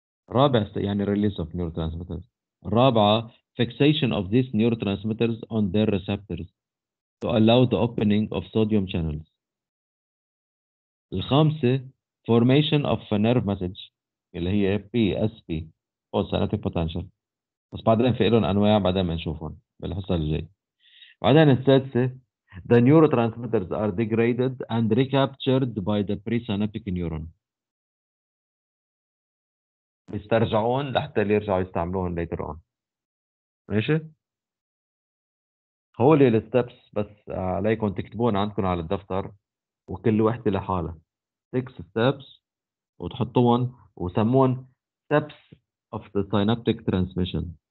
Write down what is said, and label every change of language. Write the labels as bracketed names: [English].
[Arabic] رابع يعني [English] Release of neurotransmitters. [Arabic] الرابعه [English] Fixation of this neurotransmitters on their receptors to allow the opening of sodium channels. [Arabic] الخامسه [English] formation of nerve message [Arabic] اللي هي [English] P S P or synaptic potential, [Arabic] بس بعدين في لهم انواع بعدين بنشوفهم بالحصه الجاي. بعدين السادسه [English] The neurotransmitters are degraded and recaptured by the presynaptic neuron. [Arabic] بيسترجعون لحتى يرجعوا يستعملوهم [English] later on. [Arabic] ماشي؟ هو اللي الستبس بس عليكم تكتبون عندكم على الدفتر وكل واحدة لحالة. [English] 6 steps [Arabic] وتحطوهم وسموهم [English] steps of the synaptic transmission.